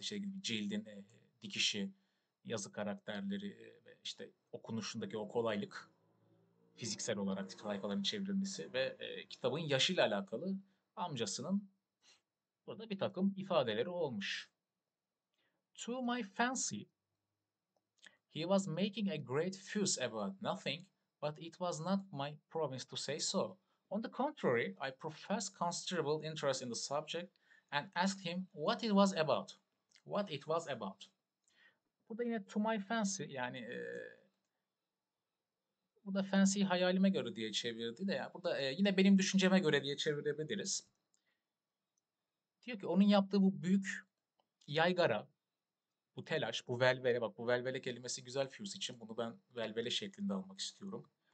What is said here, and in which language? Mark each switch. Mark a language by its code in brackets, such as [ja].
[tr] İşte cildin dikişi, yazı karakterleri ve işte okunuşundaki o kolaylık, fiziksel olarak sayfaların çevrilmesi ve kitabın yaşıyla alakalı amcasının burada bir takım ifadeleri olmuş. [en] To my fancy, he was making a great fuss about nothing, but it was not my province to say so. On the contrary, I professed considerable interest in the subject and asked him what it was about. What it was about. [tr] Burada yine [en] to my fancy, [tr] yani bu da fancy hayalime göre diye çevirdi de, ya burada yine benim düşünceme göre diye çevirebiliriz. Diyor ki onun yaptığı bu büyük yaygara, bu telaş, bu velvele, bak bu velvele kelimesi güzel Fuse için, bunu ben velvele şeklinde almak istiyorum.